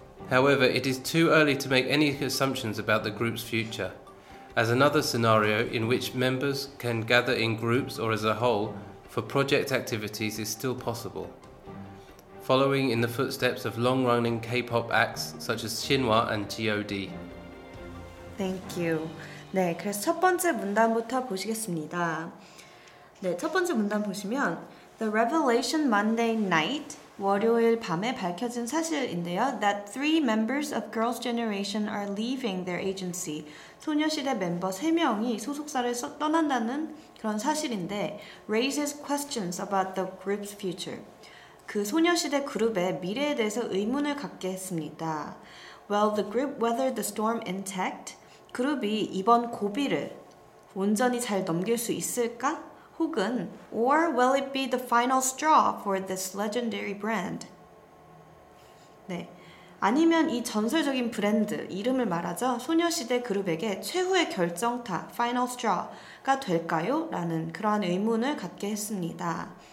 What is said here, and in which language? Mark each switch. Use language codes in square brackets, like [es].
[en] However, it is too early to make any assumptions about the group's future, as another scenario in which members can gather in groups or as a whole for project activities is still possible. Following in the footsteps of long-running K-pop acts such as Shinhwa and G.O.D. Thank you. [ko] 네, 그래서 첫 번째 문단부터 보시겠습니다. 네, 첫 번째 문단 보시면 [en] The revelation Monday night, [ko] 월요일 밤에 밝혀진 사실인데요. [en] That 3 members of Girls' Generation are leaving their agency. [ko] 소녀시대 멤버 3명이 소속사를 떠난다는 그런 사실인데 [en] raises questions about the group's future. [ko] 그 소녀시대 그룹의 미래에 대해서 의문을 갖게 했습니다. [en] Well, the group weathered the storm intact. [ko] 그룹이 이번 고비를 온전히 잘 넘길 수 있을까? 혹은 [en] Or will it be the final straw for this legendary brand? [ko] 네, 아니면 이 전설적인 브랜드, 이름을 말하죠. 소녀시대 그룹에게 최후의 결정타, final straw가 될까요? 라는 그러한 의문을 갖게 했습니다.